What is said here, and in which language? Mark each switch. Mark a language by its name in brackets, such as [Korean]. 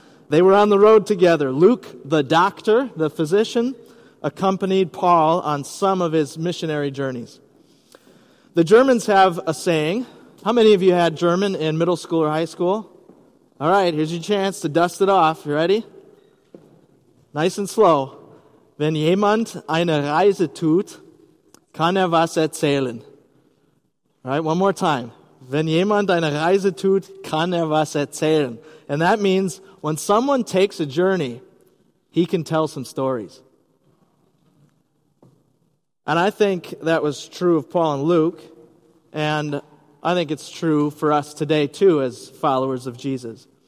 [English] They were on the road together. Luke, the doctor, the physician, accompanied Paul on some of his missionary journeys. The Germans have a saying. How many of you had German in middle school or high school? All right, here's your chance to dust it off. You ready? Nice and slow. [German] Wenn jemand eine Reise tut, kann was erzählen. [English] All right, one more time. [German] Wenn jemand eine Reise tut, kann was erzählen. [English] And that means when someone takes a journey, he can tell some stories. And I think that was true of Paul and Luke, and I think it's true for us today too as followers of Jesus.